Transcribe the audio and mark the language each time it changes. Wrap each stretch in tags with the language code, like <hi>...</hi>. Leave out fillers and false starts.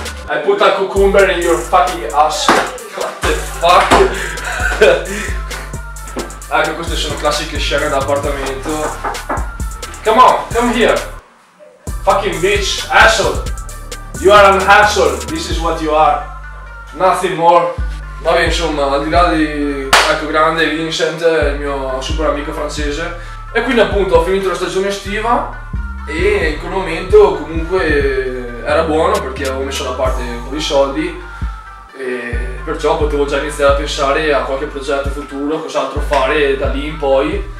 <en>I put a cucumber in your fucking ass. What the fuck?</en> <it>Ecco, queste sono classiche scene d'appartamento.</it> <en>Come on, come here. Fucking bitch, asshole. You are an asshole, this is what you are. Nothing more.</en> <it>Vabbè, insomma, al di là di... Ecco, grande Vincent, il mio super amico francese. E quindi appunto ho finito la stagione estiva. E in quel momento comunque era buono perché avevo messo da parte un po' di soldi e perciò potevo già iniziare a pensare a qualche progetto futuro, cos'altro fare da lì in poi.</it>